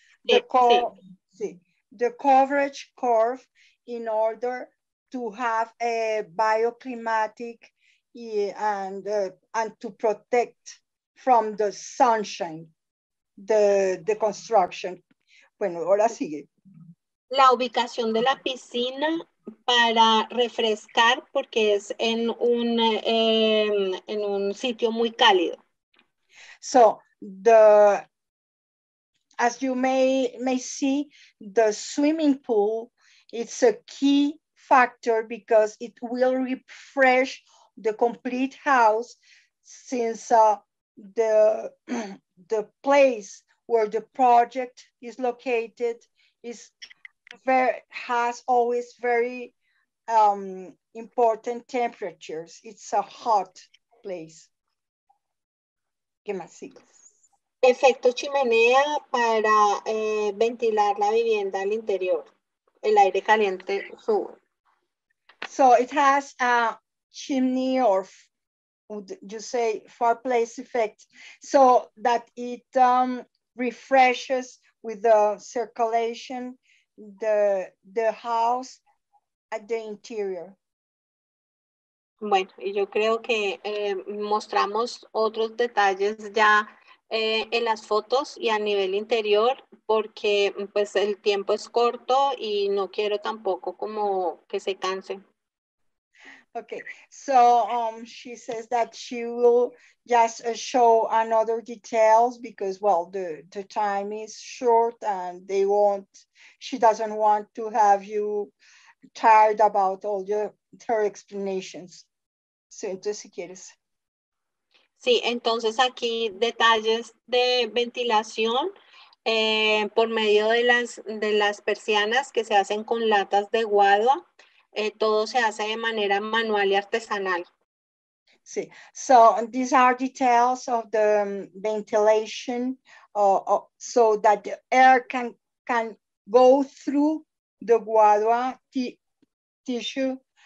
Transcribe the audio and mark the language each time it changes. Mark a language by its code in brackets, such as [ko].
[en] The coverage curve in order to have a bioclimatic and to protect from the sunshine the construction. [es] Bueno, ahora sigue. La ubicación de la piscina para refrescar porque es en un sitio muy cálido. [en] So, as you may see, the swimming pool is a key factor because it will refresh the complete house since the place where the project is located has always very important temperatures. It's a hot place. [es] ¿Qué más sigues? Efecto chimenea para ventilar la vivienda al interior. El aire caliente sube. [en] So it has a chimney or would you say fireplace effect so that it refreshes with the circulation the house at the interior. [es] Bueno, yo creo que mostramos otros detalles ya en las fotos y a nivel interior porque pues el tiempo es corto y no quiero tampoco como que se cansen. [en] Okay, so she says that she will just show another details because, well, the time is short and they won't, she doesn't want to have you tired about all her explanations. [es] So, entonces, si quieres. Sí, entonces aquí detalles de ventilación por medio de las persianas que se hacen con latas de guadua. Todo se hace de manera manual y artesanal. Sí. [en] So these are details of the ventilation so that the air can go through the guadua tissue.